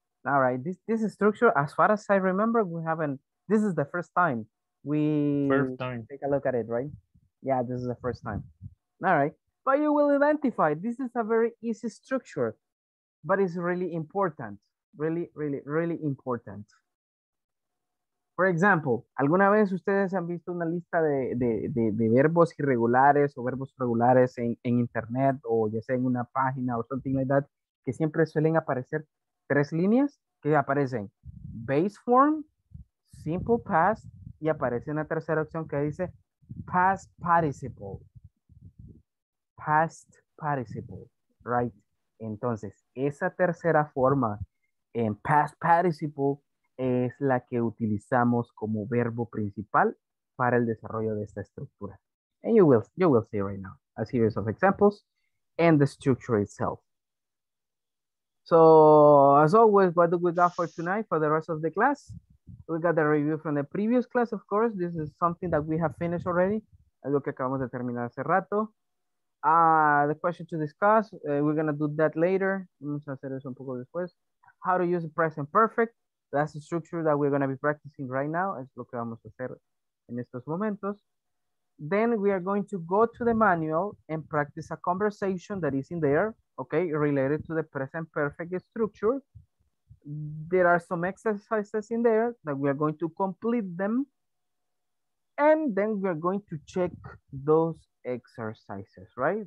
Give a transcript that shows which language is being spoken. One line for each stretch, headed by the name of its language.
English: All right, this structure, as far as I remember, this is the first time we take a look at it, right? Yeah, this is the first time. All right, but you will identify, this is a very easy structure, but it's really important. Really, really, really important.
Spanish: For example, ¿alguna vez ustedes han visto una lista de verbos irregulares o verbos regulares en internet o ya sea en una página o
English: something like that,
Spanish: que siempre suelen aparecer tres líneas que aparecen base form, simple past, y aparece una tercera opción que dice past participle. Past participle, right? Entonces, esa tercera forma en past participle es la que utilizamos como verbo principal para el desarrollo de esta estructura.
English: And you will see right now a series of examples and the structure itself. So as always, what do we got for tonight for the rest of the class? We got the review from the previous class, of course. This is something that we have finished already.
Spanish: Algo que acabamos de terminar hace rato.
English: The question to discuss, we're going to do that later.
Spanish: Vamos a hacer eso un poco después.
English: How to use the present perfect. That's the structure that we're going to be practicing right now.
Spanish: Es lo que vamos a hacer en estos momentos.
English: Then we are going to go to the manual and practice a conversation that is in there, okay, related to the present perfect structure. There are some exercises in there that we are going to complete them. And then we are going to check those exercises, right?